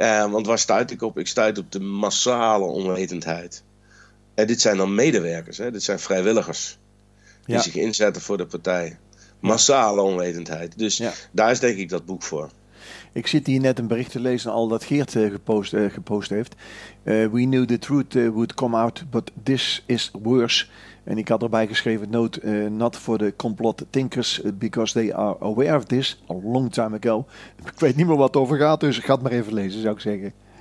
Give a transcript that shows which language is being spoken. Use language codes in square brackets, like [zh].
[nl] Want waar stuit ik op? Ik stuit op de massale onwetendheid. En dit zijn dan medewerkers, hè? Dit zijn vrijwilligers die zich inzetten voor de partij. Massale onwetendheid. Dus daar is denk ik dat boek voor. Ik zit hier net een bericht te lezen al dat Geert gepost heeft. [en] We knew the truth would come out, but this is worse. [nl] En ik had erbij geschreven, [en] not for the complot thinkers, because they are aware of this a long time ago. [nl] Ik weet niet meer wat het over gaat, dus ik ga het maar even lezen, zou ik zeggen.